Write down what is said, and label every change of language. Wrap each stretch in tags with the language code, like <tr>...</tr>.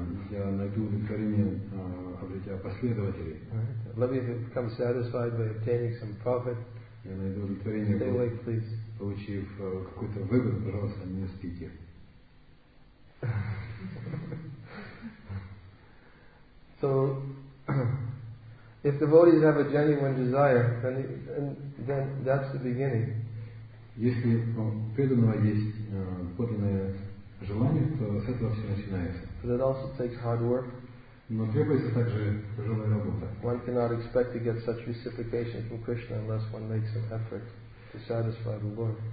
<ru>Я найду удовлетворение, обретя последователей.</ru> <en>Let me become satisfied by obtaining some profit.</en> <ru>Я найду удовлетворение,</ru> <en>stay awake, please.</en> <ru>Получив какую-то выгоду, пожалуйста, не спите.</ru> <en>So, if devotees have a genuine desire, then that's the beginning.</en> <ru>Если у преданного есть подлинное желание, то с этого все начинается.</ru> <en>But it also takes hard work.</en> <ru>Но требуется также тяжелая работа.</ru> <en>One cannot expect to get such reciprocation from Krishna unless one makes an effort to satisfy the Lord.</en>